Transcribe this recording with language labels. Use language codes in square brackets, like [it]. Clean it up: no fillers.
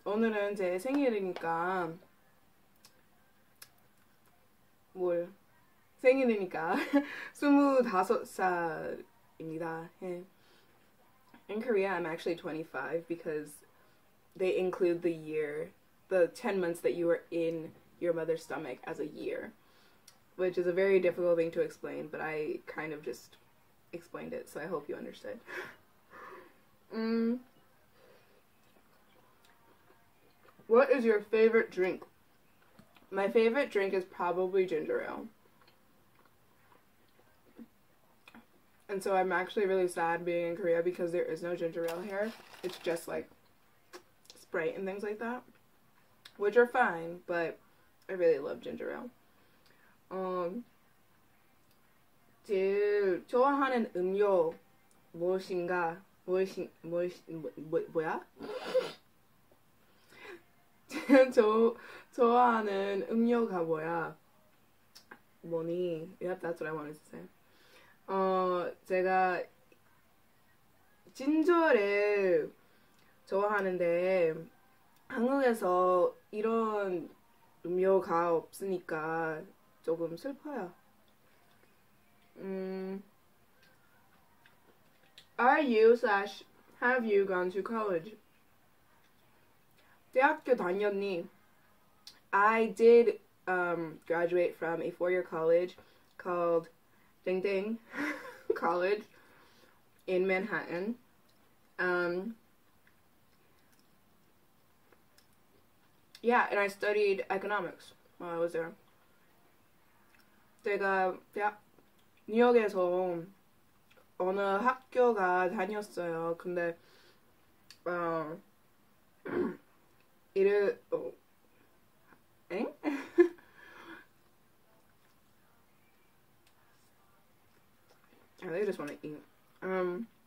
[ko] 오늘은 제 생일이니까 뭘 생일이니까 25살입니다. [en] Yeah. In Korea, I'm actually 25 because they include the year, the 10 months that you were in your mother's stomach as a year, which is a very difficult thing to explain, but I kind of just explained it, so I hope you understood. What is your favorite drink? My favorite drink is probably ginger ale. And so I'm actually really sad being in Korea because there is no ginger ale here. It's just like Sprite and things like that, which are fine, but I really love ginger ale. [ko] 제일 좋아하는 음료 무엇인가? 뭐야? 좋아하는 음료가 뭐야? 뭐니? [en] Yep, that's what I wanted to say. [ko] 제가 진저를 좋아하는데 한국에서 이런 음료가 없으니까 조금 슬퍼요. [en] Are you/have you gone to college? [ko] 대학교 다녔니? [en] I did graduate from a four-year college called Ding Ding College in Manhattan. Yeah, and I studied economics while I was there. [ko] 제가 뉴욕에서 어느 학교가 다녔어요. [en] 근데 I really just want to eat.